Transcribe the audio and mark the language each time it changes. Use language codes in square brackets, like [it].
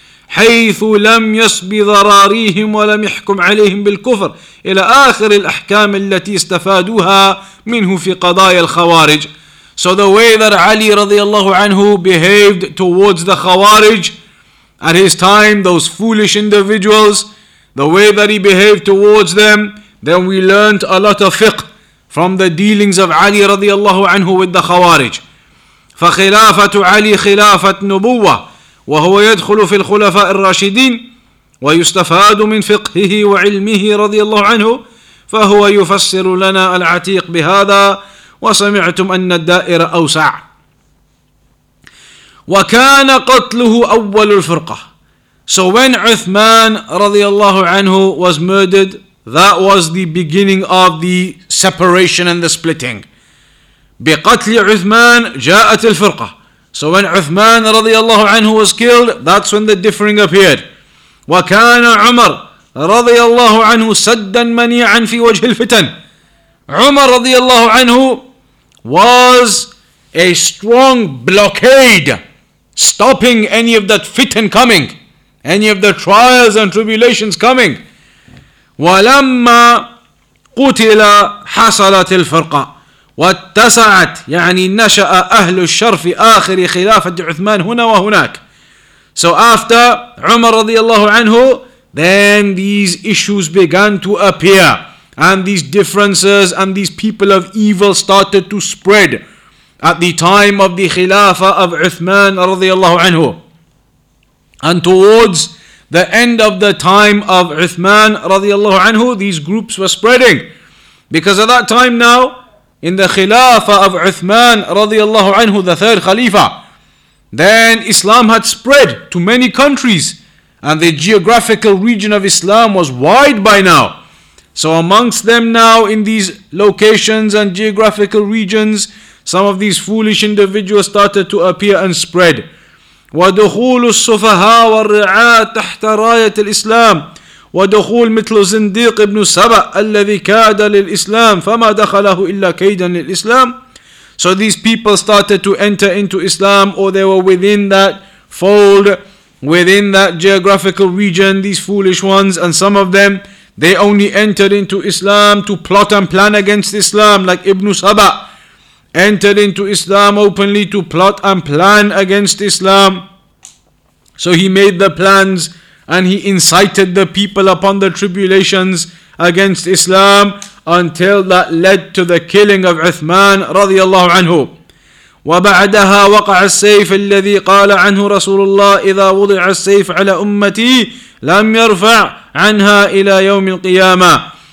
[ar] حيث لم يسبي ضراريهم ولم يحكم عليهم بالكفر إلى آخر الأحكام التي استفادوها منه في قضايا الخوارج. [en] So the way that Ali رضي الله عنه behaved towards the Khawarij at his time, those foolish individuals, the way that he behaved towards them, then we learned a lot of fiqh from the dealings of Ali رضي الله عنه with the Khawarij. [ar] فخلافة علي خلافة نبوة وهو يدخل في الخلفاء الراشدين ويستفاد من فقهه وعلمه رضي الله عنه فهو يفسر لنا العتيق بهذا وسمعتم أن الدائرة أوسع وكان قتله أول الفرقة. [en] So when Uthman رضي الله عنه was murdered, that was the beginning of the separation and the splitting. [ar] بقتل عثمان جاءت الفرقة. [en] So when Uthman رضي الله عنه was killed, that's when the differing appeared. [ar] وكان عمر رضي الله عنه سدا منيعا في وجه الفتن. [en] عمر رضي الله عنه was a strong blockade, stopping any of that fitan coming, any of the trials and tribulations coming. [ar] ولما قتل حصلت الفرقة. واتسعت يعني نشأ أهل الشرف آخر خلافة عثمان هنا وهناك. [en] So after عمر رضي الله عنه, then these issues began to appear and these differences and these people of evil started to spread at the time of the خلافة of عثمان رضي الله عنه. And towards the end of the time of عثمان رضي الله عنه, these groups were spreading. Because at that time now, in the Khilafah of Uthman رضي الله عنه, the third Khalifa, then Islam had spread to many countries and the geographical region of Islam was wide by now. So amongst them now in these locations and geographical regions, some of these foolish individuals started to appear and spread. [ar] وَدُخُولُ السُّفَهَا وَالرِّعَاةِ تَحْتَ رَايَةِ الْإِسْلَامِ ودخول مثل زنديق ابن سبأ الذي كاد للإسلام فما دخله إلا كيدا للإسلام. [en] So these people started to enter into Islam, or they were within that fold, within that geographical region, these foolish ones, and some of them, they only entered into Islam to plot and plan against Islam, like Ibn Sabah entered into Islam openly to plot and plan against Islam. So he made the plans and he incited the people upon the tribulations against Islam until that led to the killing of Uthman رضي الله عنه. [ar] وبعدها وقع السيف الذي قال عنه رسول الله إذا وضع السيف على أمتي لم يرفع عنها إلى يوم القيامة.